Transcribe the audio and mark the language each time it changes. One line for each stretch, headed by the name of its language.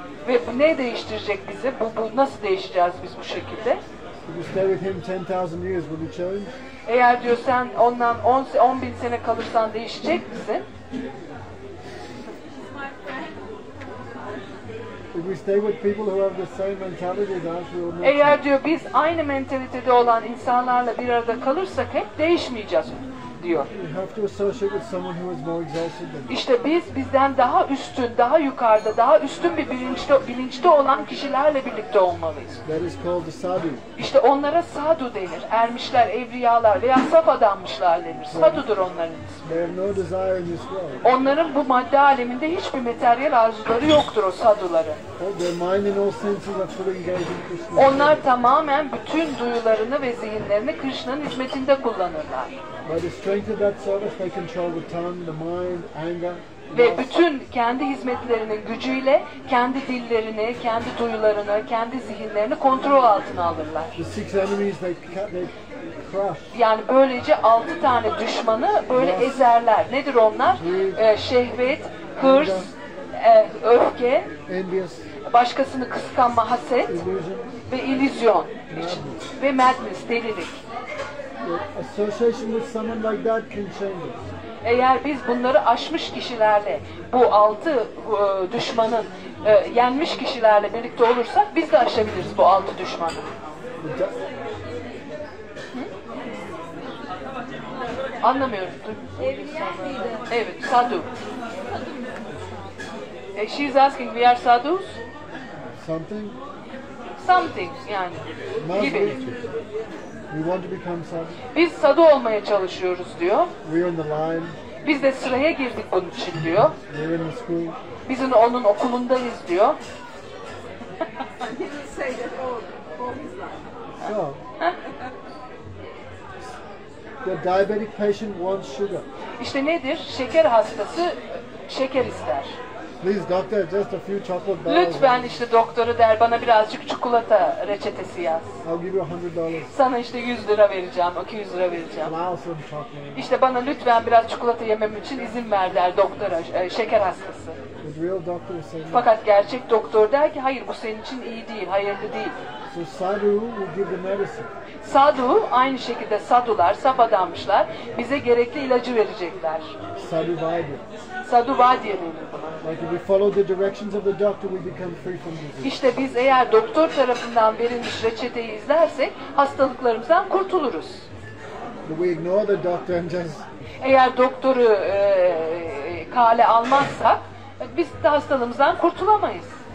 Turkish: Ve bu ne değiştirecek bizi? Bu nasıl değişeceğiz biz bu şekilde?
English: If you stay with him 10,000 years, will you change?
Turkish: Eğer diyor sen ondan 10,000 sene kalırsan değişecek misin?
English: If we stay with people who have the same mentality as us, we will not.
Turkish: Eğer diyor biz aynı mentalitede olan insanlarla bir arada kalırsak hep değişmeyeceğiz diyor.
English: You have to associate with someone who is more exalted than.
Turkish: İşte bizden daha üstün, daha yukarıda, daha üstün bir bilinçte olan kişilerle birlikte olmalıyız.
English: That is called the sadhu.
Turkish: İşte onlara sadhu denir. Ermişler, evriyalar veya saf adammışlar denir. Sadhudur onların ismi.
English: They have no desire in this world.
Turkish: Onların bu madde aleminde hiçbir materyal arzuları yoktur o sadhuların.
English: Their mind in all senses are fully engaged in Krishna.
Turkish: Onlar tamamen bütün duyularını ve zihinlerini Krishna'nın hizmetinde kullanırlar.
English: By the strength of that service, they control the tongue, the mind, anger.
Turkish: Ve bütün kendi hizmetlerinin gücüyle kendi dillerini, kendi duyularını, kendi zihinlerini kontrol altına alırlar.
English: The six enemies they crush.
Turkish: Yani böylece 6 tane düşmanı böyle ezerler. Nedir onlar? Şehvet, hırs, öfke,
English: envious,
Turkish: başkasını kıskanma, haset,
English: illusion,
Turkish: ve illüzyon ve madness, delilik.
English: Association with someone like that can change it.
Turkish: Eğer biz bunları aşmış kişilerle, bu 6 düşmanın yenmiş kişilerle birlikte olursak biz de aşabiliriz bu 6 düşmanı. Anlamıyorum. Evet, sadhu.
English: She's asking, we are sadhus? Something
Turkish: yani. Gibi.
English: We want to become sadhu.
Turkish: Biz sadhu olmaya çalışıyoruz diyor.
English: We're in the line.
Turkish: Biz de sıraya girdik bunun için diyor.
English: We're in the school.
Turkish: Biz onun okulundayız diyor.
English: So, the diabetic patient wants sugar.
Turkish: İşte nedir? Şeker hastası şeker ister.
English: Please doctor, just a few chocolate bars.
Turkish: Lütfen işte doktoru der bana birazcık çikolata reçetesi yaz.
English: I'll give you $100.
Turkish: Sana işte 100 lira vereceğim, 200 lira vereceğim.
English: And I'll also be chocolate.
Turkish: İşte bana lütfen biraz çikolata yemem için izin ver der doktora, şeker hastası.
English: The real doctor said.
Turkish: Fakat gerçek doktor der ki hayır bu senin için iyi değil, hayırlı değil.
English: So sadhu will give the medicine.
Turkish: Sadhu aynı şekilde sadhular, saf adammışlar bize gerekli ilacı verecekler.
Sanskrit: Sadhu vaidya.
Turkish: Sadhu vaidya denir.
English: Like if we follow the directions of the doctor, we become free from disease.
Turkish: İşte biz eğer doktor tarafından verilmiş reçeteyi izlersek hastalıklarımızdan kurtuluruz.
English: But we ignore the doctor and just.
Turkish: Eğer doktoru kale almazsak biz de hastalığımızdan kurtulamayız.